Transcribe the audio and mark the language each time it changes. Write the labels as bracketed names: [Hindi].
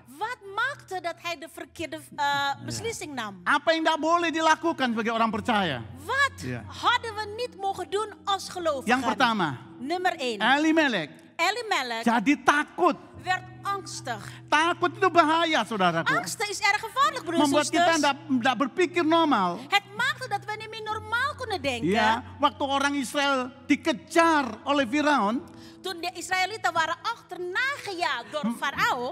[Dutch] Wat maakte dat hij de verkeerde beslissing nam? [Indonesian] Apa yang tidak boleh dilakukan sebagai orang percaya? [Dutch] Wat hadden we niet mogen doen als gelovigen? [Indonesian] Yang pertama. [Dutch] Nummer 1. [Indonesian] Elimelek. Elimelek jadi takut. [Dutch] Werd angstig. [Indonesian] Takut itu bahaya, saudaraku. [Dutch] Angst is erg gevaarlijk, broers. [Indonesian] Membuat kita tidak berpikir normal. [Dutch] Het maakte dat we niet meer normaal kunnen denken. [Indonesian] Ya, waktu orang Israel dikejar oleh Firaun. [Dutch] Toen de Israëlieten waren achterna gejaagd door Farao.